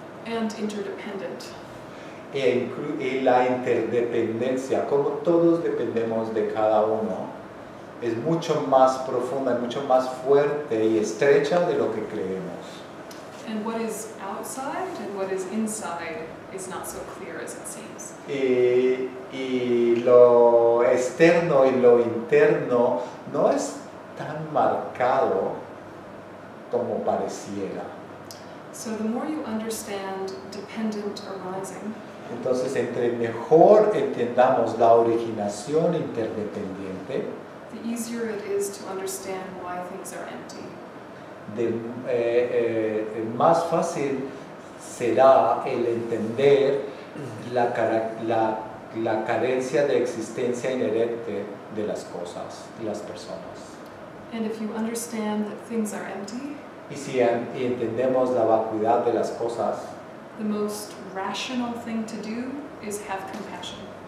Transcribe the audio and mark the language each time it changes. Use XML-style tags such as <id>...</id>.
<en>And interdependent.</en> <es>Y la interdependencia, como todos dependemos de cada uno, es mucho más profunda, mucho más fuerte y estrecha de lo que creemos.</es> <en>And what is outside and what is inside is not so clear as it seems.</en> <es>Y lo externo y lo interno no es tan marcado como pareciera.</es> <en>So the more you understand dependent arising,</en> <es>entonces entre mejor entendamos la originación interdependiente,</es> <en>the easier it is to understand why things are empty.</en> <es>Más fácil será el entender la carencia de existencia inherente de las cosas y las personas.</es> <en>And if you understand that things are empty,</en> <es>y entendemos la vacuidad de las cosas,</es> <en>the most rational thing to do is have compassion.</en>